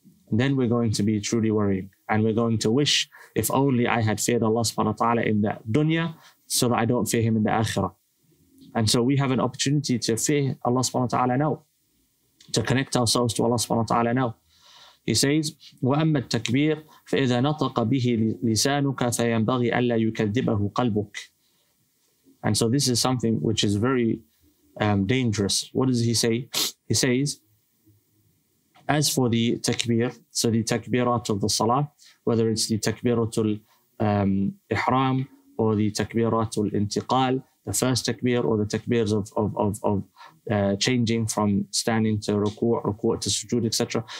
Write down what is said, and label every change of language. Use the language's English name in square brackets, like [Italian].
[English] And then we're going to be truly worrying. And we're going to wish, if only I had feared Allah subhanahu wa ta'ala in the dunya, so that I don't fear Him in the akhirah. And so we have an opportunity to fear Allah subhanahu wa ta'ala now, to connect ourselves to Allah subhanahu wa ta'ala now. He says, [Arabic] وَأَمَّا التَّكْبِيرُ فَإِذَا نَطَقَ بِهِ لِسَانُكَ فَيَنْبَغِي أَلَّا يُكَذِّبَهُ قَلْبُكَ. [English] And so this is something which is very dangerous. What does he say? He says, as for the takbir, so the takbirat of the salah, whether it's the takbiratul ihram or the takbiratul intiqal, the first takbir or the takbirs of changing from standing to ruku' to sujood, etc.